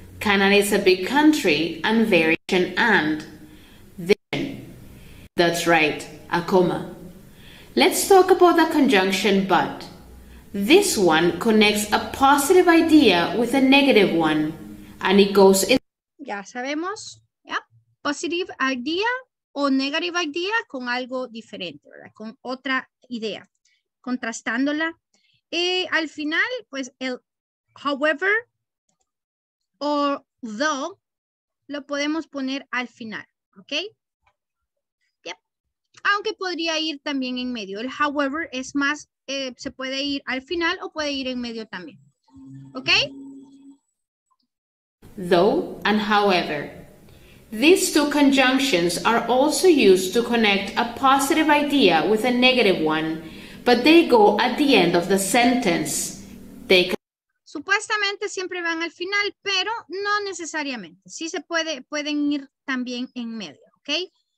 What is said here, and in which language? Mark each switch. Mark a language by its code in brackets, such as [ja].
[en] Canada is a big country and very and. Then, that's right, a comma. Let's talk about the conjunction but. This one connects a positive idea with a negative one. And it goes in. [es] Ya sabemos. [en] Positive idea [es] o [en] negative idea [es] con algo diferente, ¿verdad? Con otra idea, contrastándola. Y al final, pues el however o though lo podemos poner al final, ¿ok? Yep. Aunque podría ir también en medio. El however es más, se puede ir al final o puede ir en medio también, ¿ok? [en] Though and however. These two conjunctions are also used to connect a positive idea with a negative one, but they go at the end of the sentence. They can... [es] Supuestamente siempre van al final, pero no necesariamente. Sí se puede, pueden ir también en medio, ¿ok?